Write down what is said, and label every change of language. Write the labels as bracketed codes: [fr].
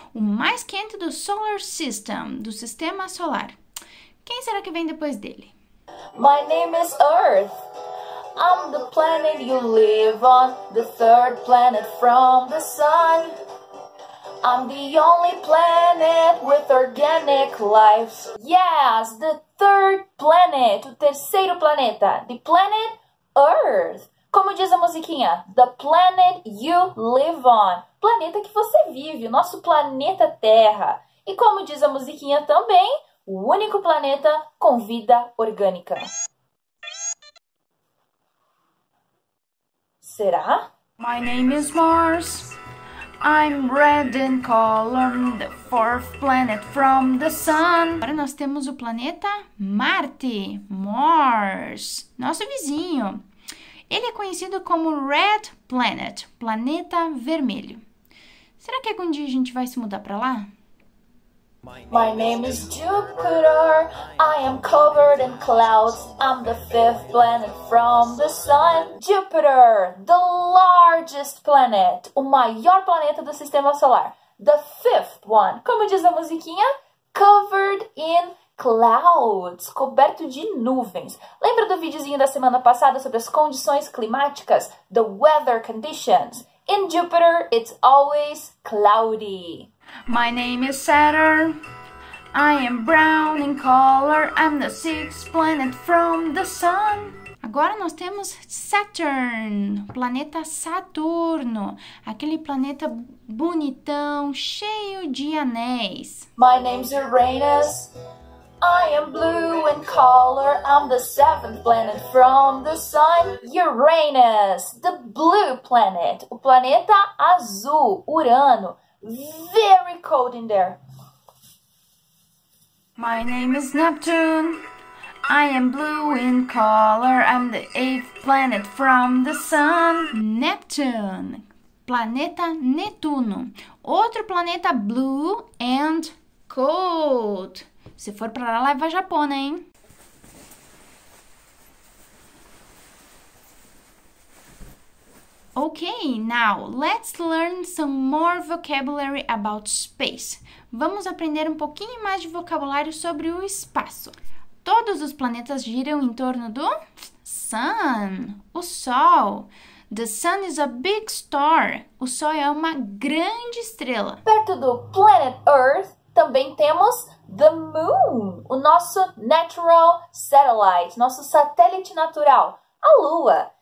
[pt] O mais quente do [en] solar system, [pt] do sistema solar. Quem será que vem depois dele? [en] My name is Earth. I'm the planet you live on, the third planet from the sun. I'm the only planet with organic life. Yes, the third planet, [pt] o terceiro planeta, [en] the planet Earth. [pt] Como diz a musiquinha? [en] The planet you live on, [pt] planeta que você vive, o nosso planeta Terra. E como diz a musiquinha também, o único planeta com vida orgânica. Será? [en] My name is Mars. I'm red in color, the fourth planet from the sun. [pt] Agora nós temos o planeta Marte, Mars, nosso vizinho. Ele é conhecido como Red Planet, planeta vermelho. Será que algum dia a gente vai se mudar para lá? [en] My name is Jupiter, I am covered in clouds, I'm the fifth planet from the sun. [pt] Jupiter, [en] the largest planet, [pt] o maior planeta do sistema solar, [en] the fifth one. [pt] Como diz a musiquinha? [en] Covered in clouds, [pt] coberto de nuvens. Lembra do videozinho da semana passada sobre as condições climáticas? [en] The weather conditions. In Jupiter, it's always cloudy. My name is Saturn, I am brown in color, I'm the sixth planet from the sun. [pt] Agora nós temos Saturn, planeta Saturno, aquele planeta bonitão, cheio de anéis. [en] My name's Uranus, I am blue in color, I'm the seventh planet from the sun. Uranus, the blue planet, [pt] o planeta azul, [en] Urano. Very cold in there. My name is Neptune. I am blue in color. I'm the eighth planet from the sun. [pt] Neptune, planeta Netuno. Outro planeta [en] blue and cold. [pt] Se for para lá, leva a Japona, hein? [en] Okay, now let's learn some more vocabulary about space. [pt] Vamos aprender um pouquinho mais de vocabulário sobre o espaço. Todos os planetas giram em torno do Sun, o Sol. [en] The Sun is a big star. [pt] O Sol é uma grande estrela. Perto do planet Earth, também temos [en] the Moon, [pt] o nosso [en] natural satellite, [pt] nosso satélite natural, a Lua.